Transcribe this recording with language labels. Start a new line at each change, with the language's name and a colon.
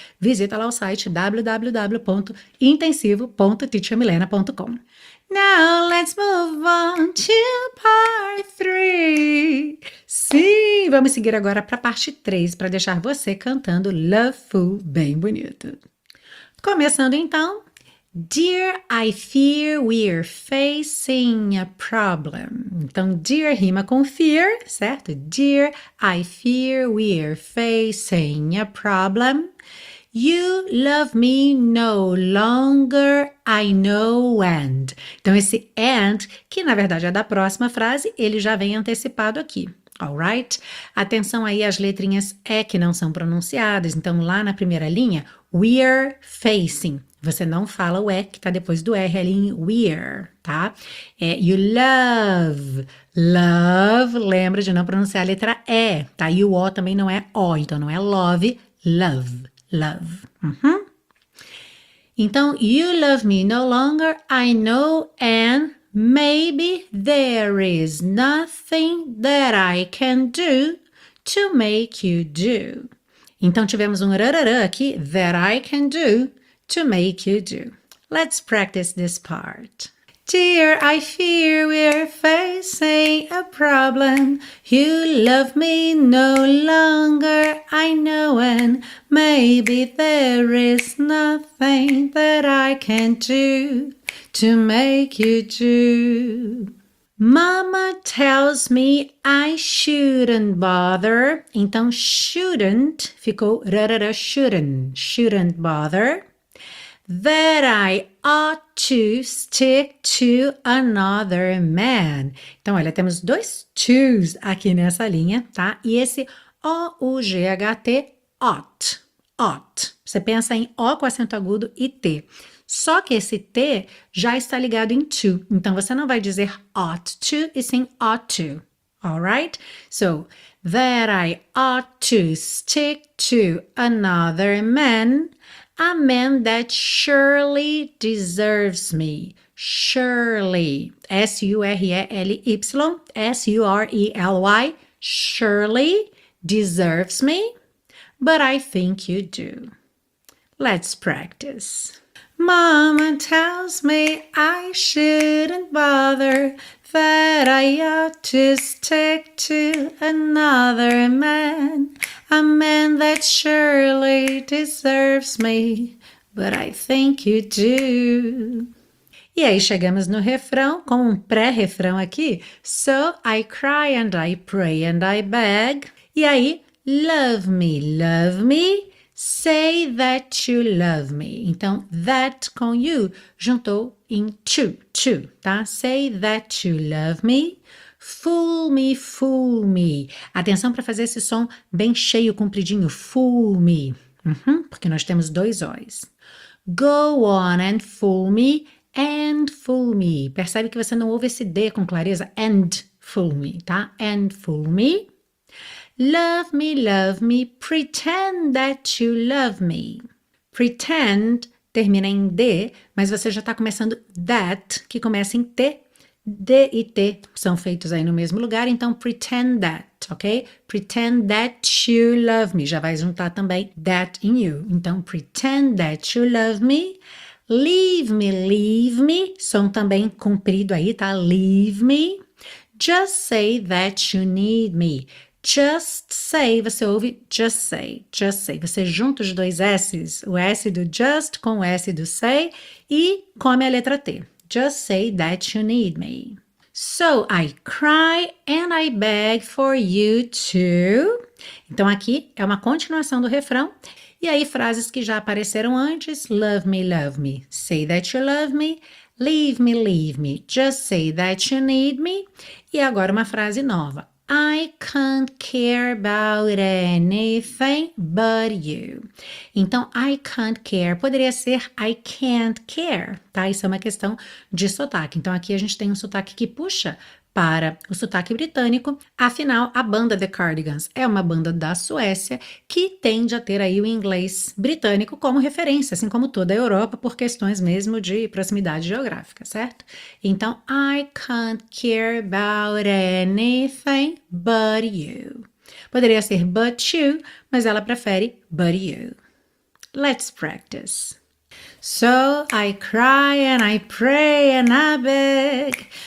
Portuguese: Visita lá o site www.intensivo.teachermilena.com.
English: Now let's move on to part 3.
Portuguese: Sim, vamos seguir agora para a parte 3 para deixar você cantando Love Fool bem bonito. Começando então.
English: Dear, I fear we're facing a problem.
Portuguese: Então, dear rima com fear, certo?
English: Dear, I fear we're facing a problem. You love me no longer, I know and.
Portuguese: Então, esse and, que na verdade é da próxima frase, ele já vem antecipado aqui. Alright? Atenção aí às letrinhas E que não são pronunciadas. Então, lá na primeira linha,
English: we're facing.
Portuguese: Você não fala o E que está depois do R ali em we're, tá? É
English: you love.
Portuguese: Love, lembra de não pronunciar a letra E, tá? E o O também não é O, então não é love, love.
English: Love. Uhum. Então, you love me no longer, I know, and maybe there is nothing that I can do to make you do.
Portuguese: Então, tivemos um rarará aqui,
English: that I can do to make you do. Let's practice this part. Dear, I fear we're facing a problem. You love me no longer, I know, and maybe there is nothing that I can do to make you do. Mama tells me I shouldn't bother.
Portuguese: Então, shouldn't ficou rarara,
English: shouldn't bother. That I ought to stick to another man.
Portuguese: Então, olha, temos dois to's aqui nessa linha, tá? E esse O-U-G-H-T, ought, ought. Você pensa em O com acento agudo e T. Só que esse T já está ligado em to. Então, você não vai dizer
English: ought to,
Portuguese: e sim ought to.
English: Alright? So, that I ought to stick to another man. A man that surely deserves me. Surely, Surely, Surely deserves me, but I think you do. Let's practice. Mama tells me I shouldn't bother, that I ought to stick to another man, a man that surely deserves me, but I think you do.
Portuguese: E aí chegamos no refrão com um pré-refrão aqui.
English: So I cry and I pray and I beg.
Portuguese: E aí,
English: love me, say that you love me.
Portuguese: Então, that com you juntou em to, tá?
English: Say that you love me. Fool me, fool me.
Portuguese: Atenção para fazer esse som bem cheio, compridinho. Fool me. Porque nós temos dois O's.
English: Go on and fool me. And fool me.
Portuguese: Percebe que você não ouve esse D com clareza.
English: And fool me,
Portuguese: tá?
English: And fool me. Love me, pretend that you love me.
Portuguese: Pretend termina em D, mas você já está começando that, que começa em T. D e T são feitos aí no mesmo lugar, então
English: pretend that,
Portuguese: ok?
English: Pretend that you love me.
Portuguese: Já vai juntar também
English: that in you. Então, pretend that you love me. Leave me,
Portuguese: som também comprido aí, tá?
English: Leave me. Just say that you need me.
Portuguese: Just say, você ouve
English: just say,
Portuguese: você junta os dois S's, o S do just com o S do say e come a letra T.
English: Just say that you need me. So I cry and I beg for you to.
Portuguese: Então aqui é uma continuação do refrão. E aí frases que já apareceram antes,
English: love me, say that you love me. Leave me, just say that you need me.
Portuguese: E agora uma frase nova.
English: I can't care about anything but you.
Portuguese: Então,
English: I can't care
Portuguese: poderia ser I can't care, tá? Isso é uma questão de sotaque. Então, aqui a gente tem um sotaque que puxa para o sotaque britânico. Afinal, a banda The Cardigans é uma banda da Suécia que tende a ter aí o inglês britânico como referência, assim como toda a Europa, por questões mesmo de proximidade geográfica, certo?
English: Então, I can't care about anything but you.
Portuguese: Poderia ser
English: but you,
Portuguese: mas ela prefere but you.
English: Let's practice. So, I cry and I pray and I beg.